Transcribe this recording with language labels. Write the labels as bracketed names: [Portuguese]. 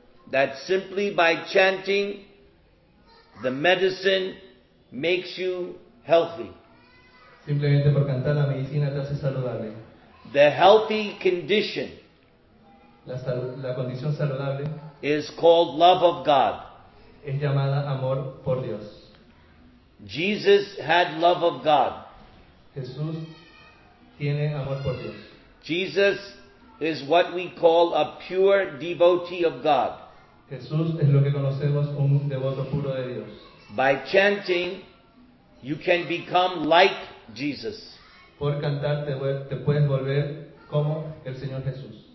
[English] That simply by chanting, the medicine makes you healthy. [Spanish] Simplemente por cantar la medicina te hace saludable. [English] The healthy condition, [Spanish] la condición saludable, [English] is called love of God. [Spanish] Es llamada amor por Dios. [English] Jesus had love of God. [Spanish] Jesús tiene amor por Dios. [English] Jesus is what we call a pure devotee of God. [Spanish] Jesús es lo que conocemos un devoto puro de Dios. [English] By chanting, you can become like Jesus. [Spanish] Por cantar te puedes volver como el Señor Jesús.